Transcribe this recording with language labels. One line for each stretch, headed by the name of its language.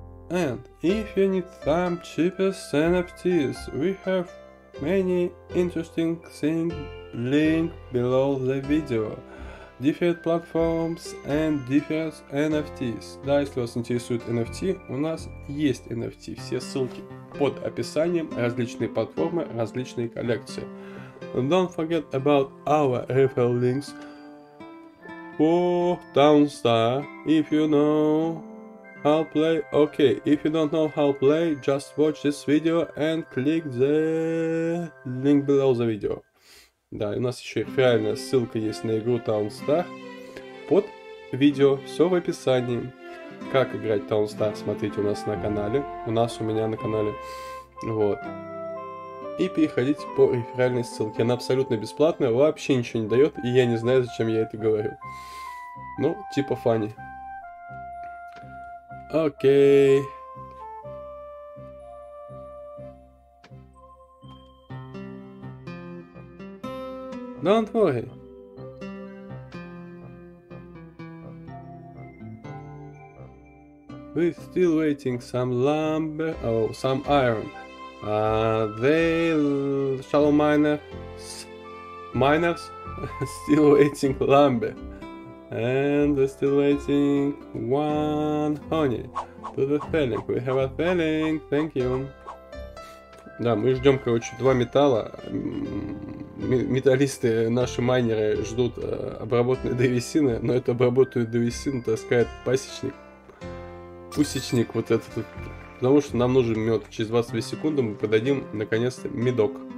English: And if you need some cheapest NFTs, we have many interesting things linked below the video. Different platforms and different NFTs.
Russian: Да, если вас интересует NFT, у нас есть NFT. Все ссылки под описанием, различные платформы, различные коллекции.
English: And don't forget about our referral links for TownStar, if you know. How play? Okay, if you don't know how play, just watch this video and click the link below the video.
Russian: Да, у нас еще реальная ссылка есть на игру TownStar под видео, все в описании. Как играть TownStar, смотрите у нас на канале, у нас у меня на канале, вот. И переходите по реферальной ссылке, она абсолютно бесплатная, вообще ничего не дает, и я не знаю, зачем я это говорю. Ну, типа фанни. Окей.
English: Don't worry. We're still waiting some lumber, some iron. Shallow miners still waiting lumber. And we're still waiting one honey to the felling. We have a felling, thank you.
Russian: Да, мы ждем, короче, 2 металла. Металлисты, наши майнеры, ждут обработанной древесины, но эту обработанную древесину таскает пасечник. Пусечник вот этот. Потому что нам нужен мед. Через 22 секунды мы подадим, наконец-то, медок.